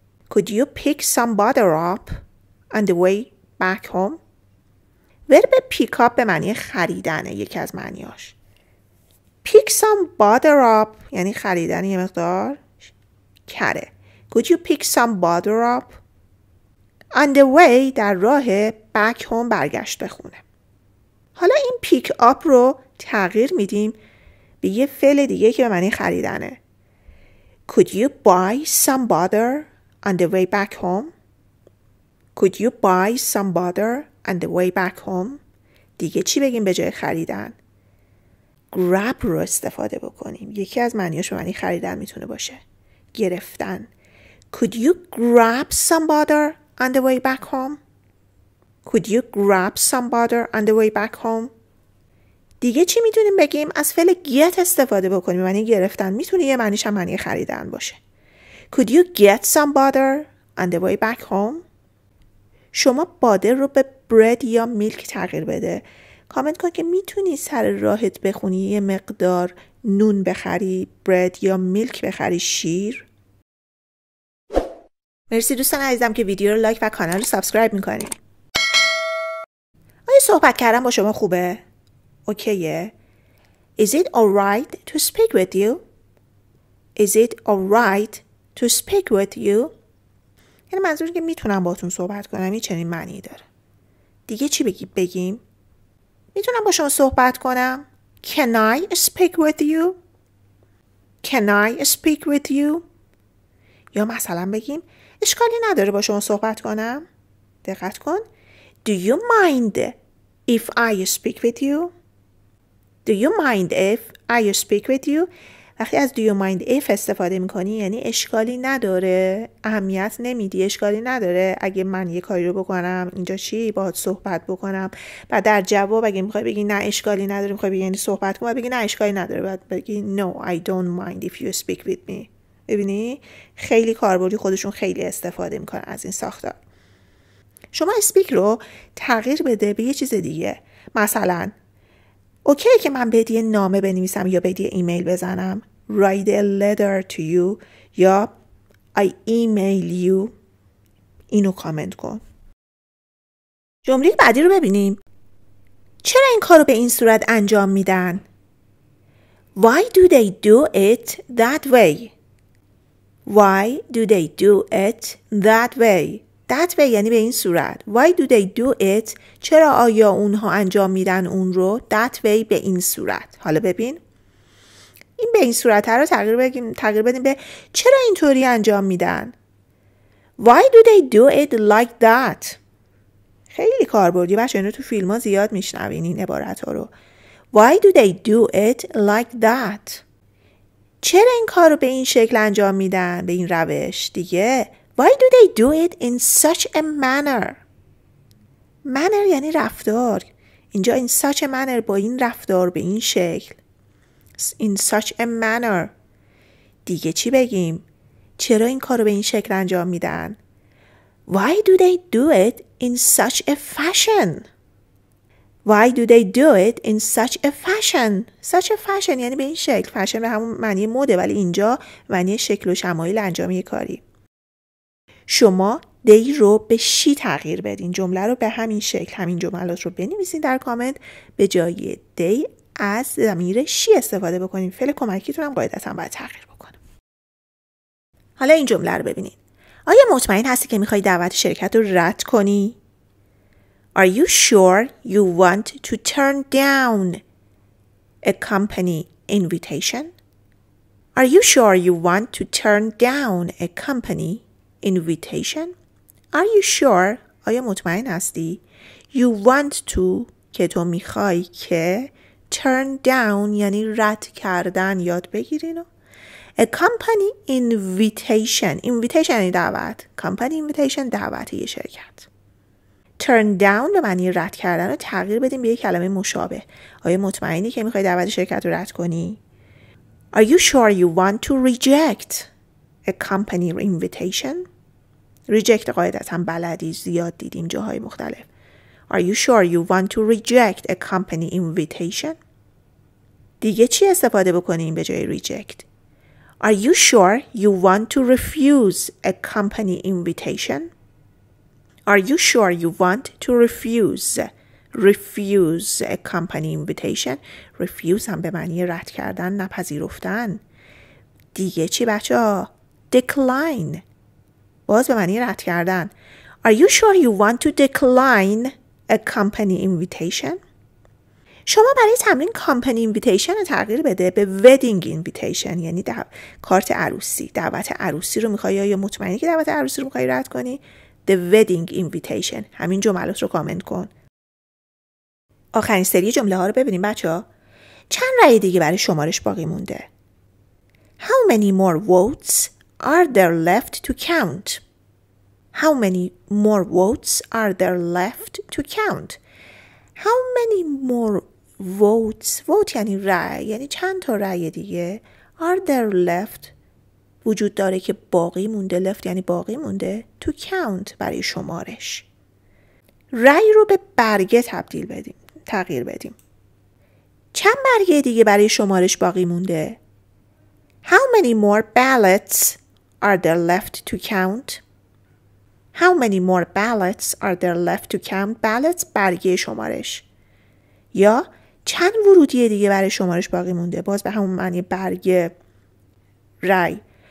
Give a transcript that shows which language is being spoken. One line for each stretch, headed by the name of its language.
English: Could you pick some butter up on the way back home?
Persian: ورب
English: pick up
Persian: به معنی خریدنه، یکی از معنیاش.
English: Pick some butter up
Persian: یعنی خریدن یه مقدار کره.
English: Could you pick some butter up on the way
Persian: در راه
English: back home
Persian: برگشت به خونه. حالا این pick up رو تغییر میدیم به یه فعل دیگه که به معنی خریدنه.
English: Could you buy some butter on the way back home? Could you buy some butter on the way back home?
Persian: دیگه چی بگیم به جای خریدن؟ Grab رو استفاده بکنیم. یکی از معنیاش به معنی خریدن میتونه باشه. گرفتن.
English: Could you grab some butter on the way back home? Could you grab some butter on the way back home?
Persian: دیگه چی میتونیم بگیم؟ از فعل get استفاده بکنیم. معنی گرفتن میتونه یه معنیش هم معنی خریدن باشه.
English: Could you get some butter on the way back home?
Persian: شما butter رو به bread یا milk تغییر بده. کامنت کن که میتونی سر راهت بخونی یه مقدار نون بخری، bread یا milk بخری، شیر. مرسی دوستان عزیزم که ویدیو رو لایک و کانال رو سابسکرایب میکنید. آیا صحبت کردن با شما خوبه؟ اوکیه.
English: Is it alright to speak with you? Is it alright to speak with you?
Persian: یعنی منظور که میتونم با تون صحبت کنم یه چنین معنی داره. دیگه چی بگیم؟ میتونم با شما صحبت کنم؟
English: Can I speak with you? Can I speak with you?
Persian: یا مثلا بگیم اشکالی نداره با شما صحبت کنم؟ دقت کن.
English: Do you mind if I speak with you? Do you mind if I speak with you?
Persian: وقتی از do you mind if استفاده میکنی یعنی اشکالی نداره، اهمیت نمیدی، اشکالی نداره اگه من یه کاری رو بکنم اینجا چی باهات صحبت بکنم. و در جواب اگه میخوای بگی نه اشکالی نداره، میخوای بگی یعنی صحبت کنم، بگی نه اشکالی نداره، بعد بگی
English: No, I don't mind if you speak with me.
Persian: ببینی؟ خیلی کاربردی، خودشون خیلی استفاده میکنن از این ساختار. شما speak رو تغییر بده به یه چیز دیگه. مثلا اوکی که من بهت یه نامه بنویسم یا بهت یه ایمیل بزنم.
English: Write a letter to you
Persian: یا
English: I email you.
Persian: اینو کامنت کن. جمله بعدی رو ببینیم. چرا این کارو به این صورت انجام میدن؟
English: Why do they do it that way? Why do they do it that way? That way
Persian: یعنی به این صورت.
English: Why do they do it؟
Persian: چرا آیا اونها انجام میدن اون رو؟ That way به این صورت. حالا ببین. این به این صورت رو تغییر بدیم به چرا اینطوری انجام میدن؟
English: Why do they do it like that؟
Persian: خیلی کاربردی بچه، اینو تو فیلم ها زیاد میشنوین این عبارت ها رو. Why do they do it like that؟ چرا این کار رو به این شکل انجام میدن؟ به این روش دیگه؟
English: Why do they do it in such a manner?
Persian: Manner یعنی رفتار. اینجا
English: in such a manner
Persian: با این رفتار به این شکل.
English: In such a manner.
Persian: دیگه چی بگیم؟ چرا این کارو به این شکل انجام میدن؟
English: Why do they do it in such a fashion? Why do they do it in such a fashion?
Persian: Such a fashion یعنی به این شکل. Fashion به همون معنی مده ولی اینجا معنی شکل و شمایل انجام یک کاری. شما دی رو به شی تغییر بدین. جمله رو به همین شکل. همین جملات رو بنویسین در کامنت. به جای دی از ضمیر شی استفاده بکنین. فعل کمکیتون هم قاعدتا باید تغییر بکنه. حالا این جمله رو ببینین. آیا مطمئن هستی که میخوای دعوت شرکت رو رد کنی؟
English: Are you sure you want to turn down a company invitation? Are you sure you want to turn down a company invitation? Are you sure?
Persian: آیا مطمئن هستی؟
English: You want to
Persian: که تو میخوای که
English: turn down
Persian: یعنی رد کردن یاد بگیرینو.
English: A company invitation. Invitation یعنی دعوت. Company invitation
Persian: دعوت یه شرکت. Turn down به معنی رد کردن رو تغییر بدیم به یه کلمه مشابه. آیا مطمئنی که میخوای دعوت شرکت رو رد کنی؟
English: Are you sure you want to reject a company invitation?
Persian: Reject قاعدتا بلدی زیاد دیدیم جاهای مختلف.
English: Are you sure you want to reject a company invitation?
Persian: دیگه چی استفاده بکنیم به جای reject؟
English: Are you sure you want to refuse a company invitation? Are you sure you want to refuse a company invitation?
Persian: Refuse هم به معنی رد کردن، نپذیرفتن. دیگه چی بچه ها؟ Decline. باز به معنی رد کردن.
English: Are you sure you want to decline a company invitation?
Persian: شما برای تمرین
English: company invitation
Persian: رو تغییر بده به
English: wedding invitation
Persian: یعنی کارت عروسی. دعوت عروسی رو میخوایی یا مطمئنی که دعوت عروسی رو میخوایی رد کنی؟
English: The wedding invitation.
Persian: همین جملات رو کامنت کن. آخرین سری جمله ها رو ببینیم بچه ها. چند رأی دیگه برای شمارش باقی مونده؟
English: How many more votes are there left to count? How many more votes are there left to count? How many more votes? Vote
Persian: یعنی رأی. یعنی چند تا رأی دیگه.
English: Are there left
Persian: وجود داره که باقی مونده left یعنی باقی مونده
English: to count
Persian: برای شمارش. رأی رو به برگه تبدیل بدیم. تغییر بدیم. چند برگه دیگه برای شمارش باقی مونده؟
English: How many more ballots are there left to count? How many more ballots are there left to count?
Persian: Ballots برگه شمارش. یا چند ورودی دیگه برای شمارش باقی مونده؟ باز به همون معنی برگه رأی.